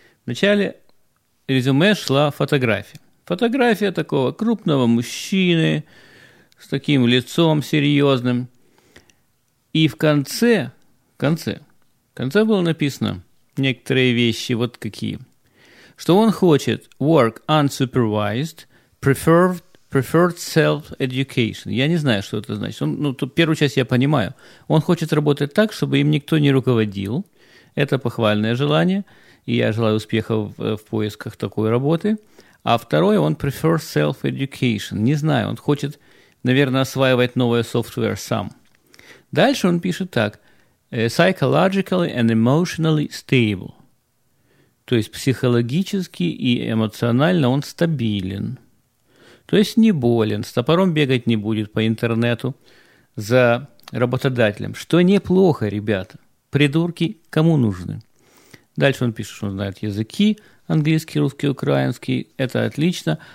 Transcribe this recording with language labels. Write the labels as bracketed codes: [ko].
[ru] В начале резюме шла фотография. Фотография такого крупного мужчины с таким лицом серьезным. И в конце было написано некоторые вещи, вот какие. Что он хочет [en] work unsupervised, preferred self-education. [ru] Я не знаю, что это значит. Первую часть я понимаю. Он хочет работать так, чтобы им никто не руководил. Это похвальное желание. И я желаю успеха в поисках такой работы. А второе, он [en] prefers self-education. [ru] Не знаю, он хочет, наверное, осваивать новое software сам. Дальше он пишет так. [en] Psychologically and emotionally stable. [ru] То есть психологически и эмоционально он стабилен. То есть не болен, с топором бегать не будет по интернету за работодателем. Что неплохо, ребята. Придурки кому нужны? Дальше он пишет, что он знает языки. Английский, русский, украинский. Это отлично.